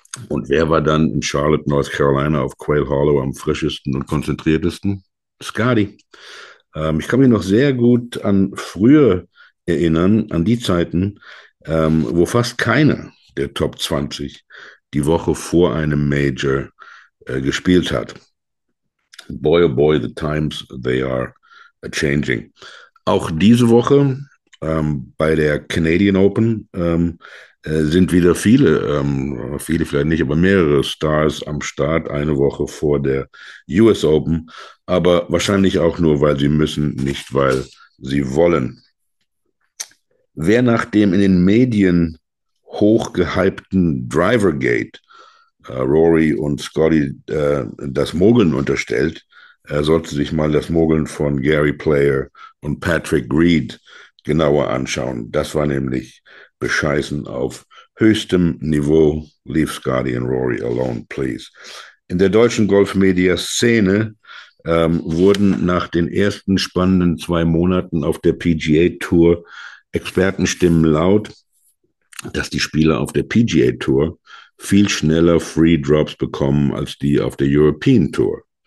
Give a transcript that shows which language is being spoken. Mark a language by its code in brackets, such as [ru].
[de] Und wer war dann in Charlotte, North Carolina auf Quail Hollow am frischesten und konzentriertesten? Scotty. Ich kann mich noch sehr gut an früher erinnern, an die Zeiten, wo fast keiner der Top 20 die Woche vor einem Major gespielt hat. [en] Boy, oh boy, the times, they are changing. [de] Auch diese Woche bei der Canadian Open sind wieder viele vielleicht nicht, aber mehrere Stars am Start, eine Woche vor der US Open. Aber wahrscheinlich auch nur, weil sie müssen, nicht weil sie wollen. Wer nach dem in den Medien hochgehypten Drivergate Rory und Scotty das Mogeln unterstellt, sollte sich mal das Mogeln von Gary Player und Patrick Reed genauer anschauen. Das war nämlich bescheißen auf höchstem Niveau. [en] Leave Scotty and Rory alone, please. [de] In der deutschen Golfmedia-Szene wurden nach den ersten spannenden zwei Monaten auf der PGA-Tour Expertenstimmen laut, dass die Spieler auf der PGA-Tour viel schneller Free-Drops bekommen als die auf der European-Tour.